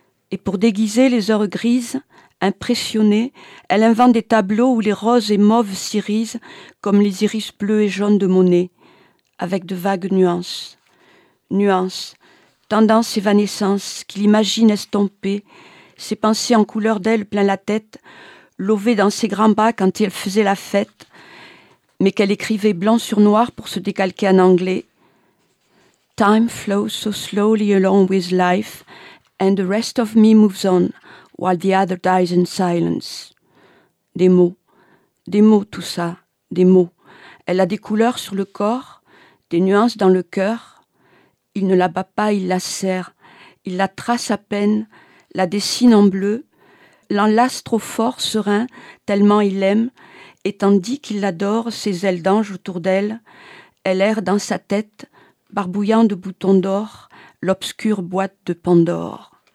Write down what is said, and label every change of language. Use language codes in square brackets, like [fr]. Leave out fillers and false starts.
[fr] Et pour déguiser les heures grises, impressionnées, elle invente des tableaux où les roses et mauves s'irisent comme les iris bleus et jaunes de Monet, avec de vagues nuances. Nuances, tendances évanescentes qu'il imagine estompées, ses pensées en couleur d'ailes plein la tête, lovées dans ses grands bras quand elle faisait la fête, mais qu'elle écrivait blanc sur noir pour se décalquer en anglais. [en] Time flows so slowly along with life, and the rest of me moves on, while the other dies in silence. [fr] Des mots tout ça, des mots. Elle a des couleurs sur le corps, des nuances dans le cœur. Il ne la bat pas, il la serre. Il la trace à peine, la dessine en bleu, l'enlace trop fort, serein, tellement il l'aime, et tandis qu'il l'adore, ses ailes d'ange autour d'elle, elle erre dans sa tête, barbouillant de boutons d'or, l'obscure boîte de Pandore.